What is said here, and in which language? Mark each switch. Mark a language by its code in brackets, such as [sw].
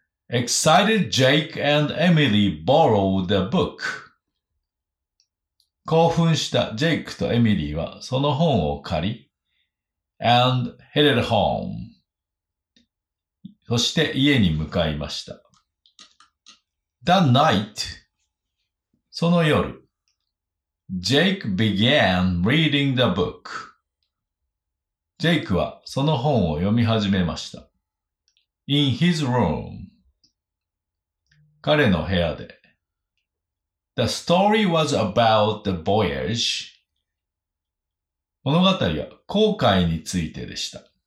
[en] Excited Jake and Emily borrowed the book. [ja] 興奮したジェイクとエミリーはその本を借り、 [en] and headed home. [ja] そして家に向かいました。 [en] That night, [ja] その夜、 [en] Jake began reading the book. [ja] ジェイクはその本を読み始めました。 [en] In his room. [ja] 彼の部屋で。 [en] The story was about the voyage. [ja] 物語は航海についてでした。